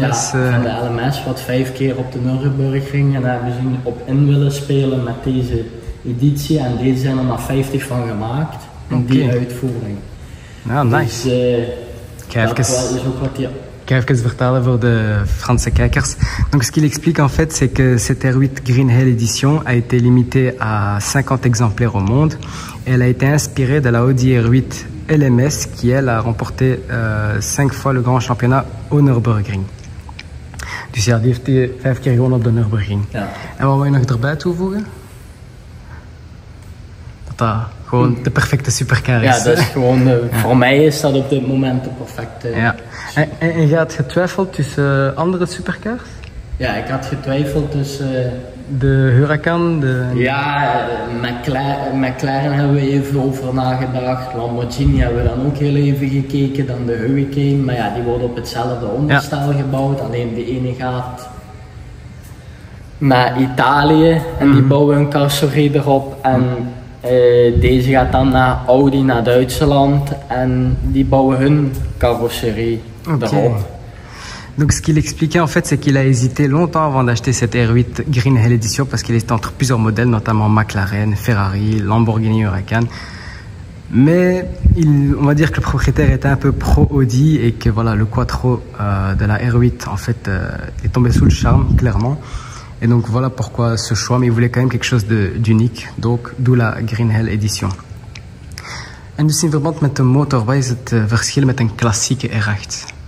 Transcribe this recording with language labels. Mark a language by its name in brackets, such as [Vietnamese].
[Dutch] Ja, van de LMS wat 5 keer op de Nürburgring ging en daar hebben ze op in willen spelen met deze editie. En deze zijn er maar 50 van gemaakt in okay. Die uitvoering. Nou, nice. Dus, dat is ook wat die... Ik ga even vertellen voor de Franse kijkers. [French] Donc, ce qu'il explique en fait, c'est que cette R8 Green Hell Edition a été limitée à 50 exemplaires au monde. Elle a été inspirée de la Audi R8 LMS qui, elle, a remporté 5 fois le grand championnat au Nürburgring. [Dutch] Dus ja, die heeft 5 keer gewonnen op de Nürburgring. Ja. En wat wil je nog erbij toevoegen? Dat dat gewoon de perfecte supercar is. Ja, dat is gewoon, voor mij is dat op dit moment de perfecte. Ja. En je had getwijfeld tussen andere supercars? Ja, ik had getwijfeld tussen... De Huracan, de... Ja, McLaren hebben we even over nagedacht. Lamborghini hebben we dan ook heel even gekeken. Dan de Hurricane. Maar ja, die worden op hetzelfde onderstel gebouwd. Alleen de ene gaat naar Italië. En die bouwen een carrosserie erop. En deze gaat dan naar Audi, naar Duitsland. En die bouwen hun carrosserie. Okay. [French] Donc ce qu'il expliquait en fait, c'est qu'il a hésité longtemps avant d'acheter cette R8 Green Hell Edition parce qu'il était entre plusieurs modèles, notamment McLaren, Ferrari, Lamborghini Huracan. Mais on va dire que le propriétaire était un peu pro Audi et que voilà, le Quattro de la R8 en fait est tombé sous le charme clairement. Et donc voilà pourquoi ce choix, mais il voulait quand même quelque chose d'unique, donc d'où la Green Hell Edition. [Dutch] En dus in verband met de motor, wat is het verschil met een klassieke R8?